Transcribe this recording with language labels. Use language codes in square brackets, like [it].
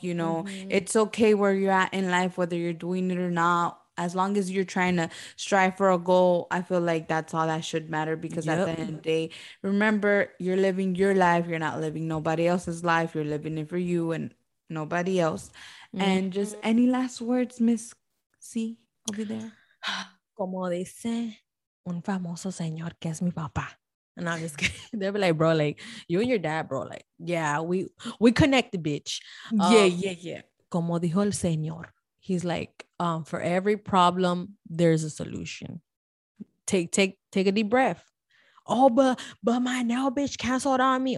[en] You know, it's okay where you're at in life, whether you're doing it or not, as long as you're trying to strive for a goal. I feel like that's all that should matter, because at the end of the day, remember, you're living your life. You're not living nobody else's life. You're living it for you and nobody else. And just any last words, Miss C, over there. [es] Como dice un famoso señor que es mi papá. [en] And I'm just kidding. They'll be like, bro, like, you and your dad, bro, like, yeah, we connect, bitch. Yeah, yeah, yeah. [es] Como dijo el señor, [en] He's like, for every problem, there's a solution. Take a deep breath. Oh, but my nail bitch canceled on me.